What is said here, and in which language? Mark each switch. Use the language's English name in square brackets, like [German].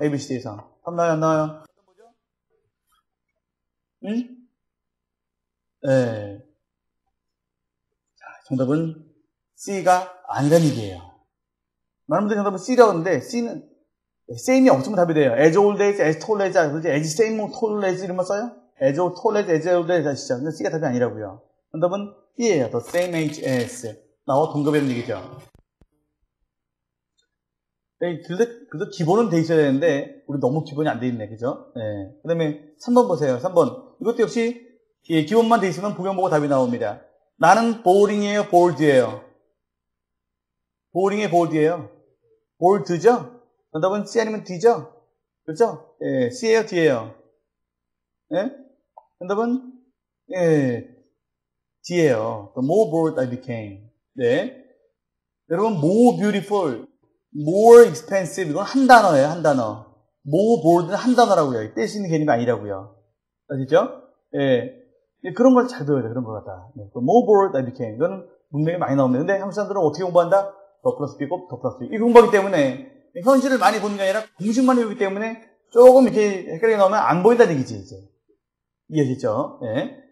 [Korean] A, B, C에서. 답 나와요, 안 나와요? 응? 예. 네. 자, 정답은 C가 안 되는 얘기예요. 많은 분들이 정답은 C라고 하는데, C는, same이 없으면 답이 돼요. [English] as old as, as tall as, [Korean] 그렇지? [English] as same or tall as [Korean] 이런 말 써요? [English] as tall as old as [Korean] 아시죠? 근데 C가 답이 아니라고요. 정답은 B예요. [English] the same age as. [Korean] 나와 동급이라는 얘기죠. 네, 그래도 기본은 돼 있어야 되는데, 우리 너무 기본이 안 돼 있네. 그죠? 예. 네. 그 다음에 3번 보세요. 3번. 이것도 역시, 예, 기본만 돼 있으면 보경 보고 답이 나옵니다. 나는 boring이에요, bold이에요. boring이에요, bold이에요. bold죠? 정답은 C 아니면 D죠? 그렇죠? 예, C에요, D에요? 예? 정답은, 예, D에요. [English] The more bold I became. 네. 여러분, more beautiful, more expensive. [Korean] 이건 한 단어예요, 한 단어. more bold는 한 단어라고요. 뜻이 있는 개념이 아니라고요. 아시죠? 예. 예, 그런 걸 잘 배워야 돼, 그런 것 같다. [English] 네. The more bold I became. [Korean] 이건 문맥이 많이 나옵니다. 근데 한국 사람들은 어떻게 공부한다? 더 플러스 B고, 더 플러스 B. 이 공부하기 때문에, 현실을 많이 보는 게 아니라 공식만 외우기 때문에 조금 이렇게 헷갈리게 나오면 안 보인다는 얘기지, 이제. 이해하시죠? 예.